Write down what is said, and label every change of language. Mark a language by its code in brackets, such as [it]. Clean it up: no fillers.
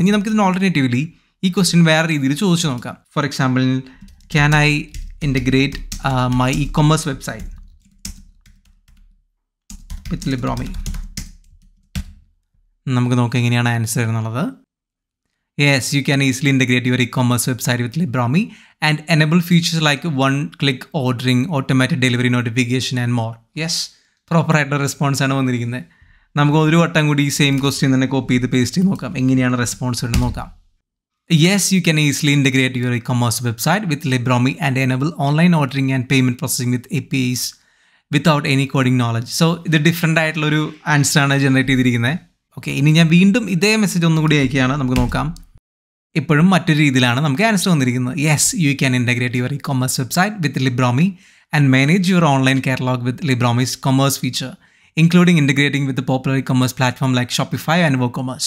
[ml] ഇനി നമുക്കിതിന് ഓൾട്ടർനേറ്റീവ്ലി ഈ ക്വസ്റ്റ്യൻ വേറെ രീതിയിൽ ചോദിച്ച് നോക്കാം. [en] For example, can I integrate my e commerce website with Libromi. [ml] നമുക്ക് നോക്കാം എങ്ങനെയാണ് ആൻസർ എന്നുള്ളത്. [en] Yes, you can easily integrate your e-commerce website with Libromi and enable features like one-click ordering, automated delivery notification and more. [ml] Yes, proper ആയിട്ടുള്ള response ആണ് വന്നിരിക്കുന്നത്. നമുക്ക് ഒരു വട്ടം കൂടി ഈ സെയിം ക്വസ്റ്റ്യൻ തന്നെ കോപ്പി ചെയ്ത് പേസ്റ്റ് ചെയ്ത് നോക്കാം, എങ്ങനെയാണ് റെസ്പോൺസ് എന്ന് നോക്കാം. [en] Yes, you can easily integrate your e-commerce website with Libromi and enable online ordering and payment processing with APIs without any coding knowledge. [ml] So, ഇത് ഡിഫറെൻ്റ് ആയിട്ടുള്ളൊരു ആൻസറാണ് ജനറേറ്റ് ചെയ്തിരിക്കുന്നത്. ഓക്കെ, ഇനി ഞാൻ വീണ്ടും ഇതേ മെസ്സേജ് ഒന്നുകൂടി അയക്കുകയാണ്, നമുക്ക് നോക്കാം. ഇപ്പോഴും മറ്റൊരു രീതിയിലാണ് നമുക്ക് ആൻസർ വന്നിരിക്കുന്നത്. [en] Yes you can integrate your e commerce website with Libromi and manage your online catalogue with Libromi's commerce feature including integrating with popular e commerce platform like Shopify and WooCommerce.